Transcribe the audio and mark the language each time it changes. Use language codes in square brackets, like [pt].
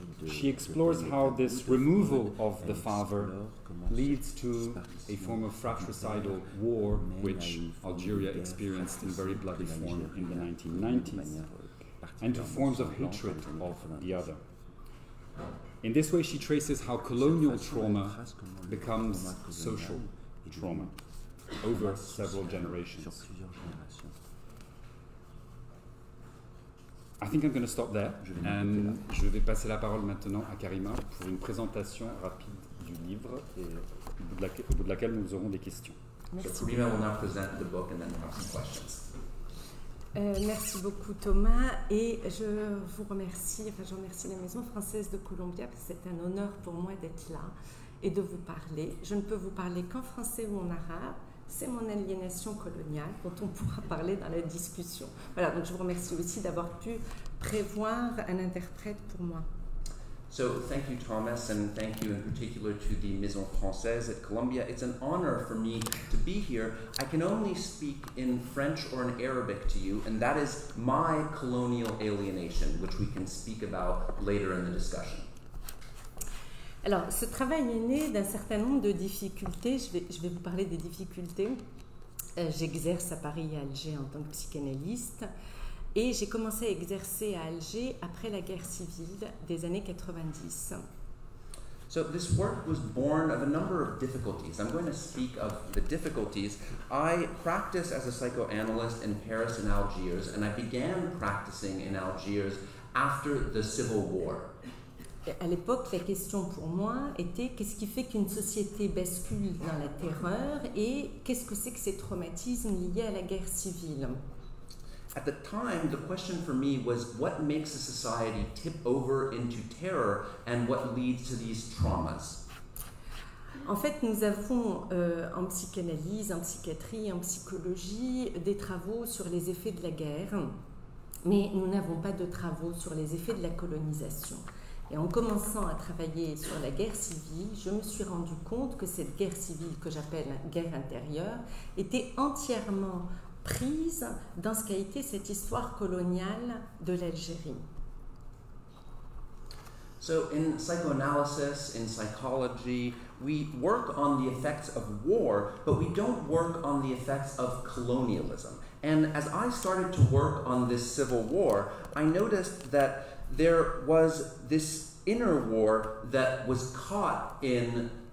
[en] She explores how this removal of the father leads to a form of fratricidal war which Algeria experienced in very bloody form in the 1990s, and to forms of hatred of the other. In this way, she traces how colonial trauma becomes social trauma over several generations. I think I'm going to stop there. [fr] Je vais passer la parole maintenant à Karima pour une présentation rapide du livre et au bout de laquelle nous aurons des questions. [en] So Karima will now present the book and then have some questions. [fr] Merci beaucoup Thomas, et je vous remercie, enfin je remercie la Maison française de Columbia, parce que c'est un honneur pour moi d'être là et de vous parler. Je ne peux vous parler qu'en français ou en arabe. C'est mon aliénation coloniale dont on pourra parler dans la discussion. Voilà, donc je vous remercie aussi d'avoir pu prévoir un interprète pour moi. [en] So, thank you, Thomas, and thank you in particular to the Maison Française at Columbia. It's an honor for me to be here. I can only speak in French or in Arabic to you, and that is my colonial alienation, which we can speak about later in the discussion. [fr] Alors, ce travail est né d'un certain nombre de difficultés. Je vais vous parler des difficultés. J'exerce à Paris et à Alger en tant que psychanalyste. Et j'ai commencé à exercer à Alger après la guerre civile des années 90. [en] So this work was born of a number of difficulties. I'm going to speak of the difficulties. I practice as a psychoanalyst in Paris and Algiers, and I began practicing in Algiers after the civil war. [fr] À l'époque, la question pour moi était qu'est-ce qui fait qu'une société bascule dans la terreur et qu'est-ce que c'est que ces traumatismes liés à la guerre civile ? [en] At the time, the question for me was what makes a society tip over into terror and what leads to these traumas? [fr] En fait, nous avons en psychanalyse, en psychiatrie, en psychologie, des travaux sur les effets de la guerre, mais nous n'avons pas de travaux sur les effets de la colonisation. Et en commençant à travailler sur la guerre civile, je me suis rendu compte que cette guerre civile, que j'appelle guerre intérieure, était entièrement prise dans ce qu'a été cette histoire coloniale de l'Algérie. [en] So in psychoanalysis, in psychology, we work on the effects of war, but we don't work on the effects of colonialism. And as I started to work on this civil war, I noticed that there was this inner war that was caught in...